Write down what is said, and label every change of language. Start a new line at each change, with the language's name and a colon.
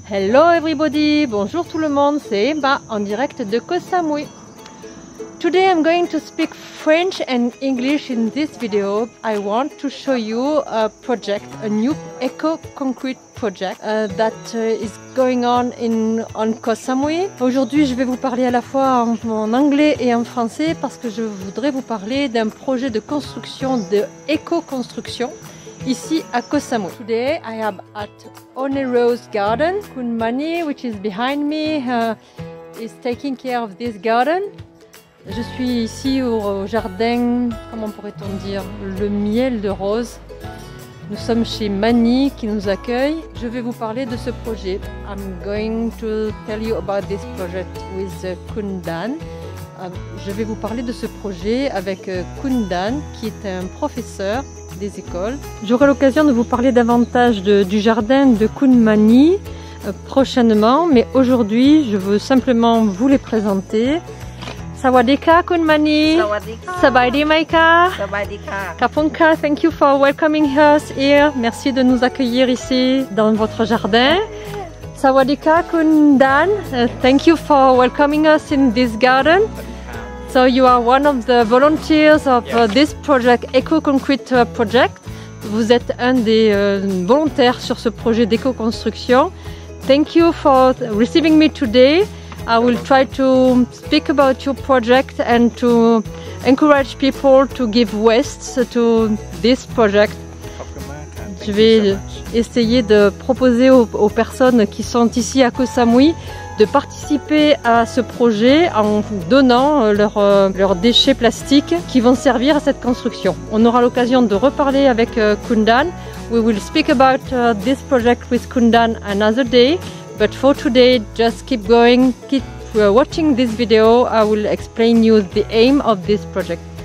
English: Hello everybody,
French: bonjour tout le monde, c'est Emma en direct de Koh Samui.
English: Today I'm going to speak French and English in this video. I want to show you a project, a new eco-concrete project that is going on Koh Samui.
French: Aujourd'hui je vais vous parler à la fois en anglais et en français parce que je voudrais vous parler d'un projet de construction, de éco-construction. Ici à Koh Samui.
English: Today I am at One Rose Garden. Khun Mani, which is behind me, is taking care of this garden.
French: Je suis ici au jardin, comment pourrait-on dire, le miel de rose. Nous sommes chez Mani qui nous accueille. Je vais vous parler de ce projet. I'm going to tell you about this project with Khun Dan. Je vais vous parler de ce projet avec Khun Dan qui est un professeur des écoles. J'aurai l'occasion de vous parler davantage du jardin de Khun Mani prochainement, mais aujourd'hui je veux simplement vous les présenter.
Thai: Sawadika Khun Mani. Sawadika. Sabaidi Maika. Sabaidika.
English: Kapunka, thank you for welcoming us here.
French: Merci de nous accueillir ici dans votre jardin.
English: Sawadika Khun Dan, thank you for welcoming us in this garden. So you are one of the volunteers of this project, Eco-Concrete Project.
French: Vous êtes un des volontaires sur ce projet d'éco-construction.
English: Thank you for receiving me today. I will try to speak about your project and to encourage people to give waste to this project.
French: Je vais essayer de proposer aux personnes qui sont ici à Koh Samui de participer à ce projet en donnant leurs déchets plastiques qui vont servir à cette construction. On aura l'occasion de reparler avec Khun Dan.
English: We will speak about this project with Khun Dan another day, but for today, just keep going, keep watching this video. I will explain you the aim of this project.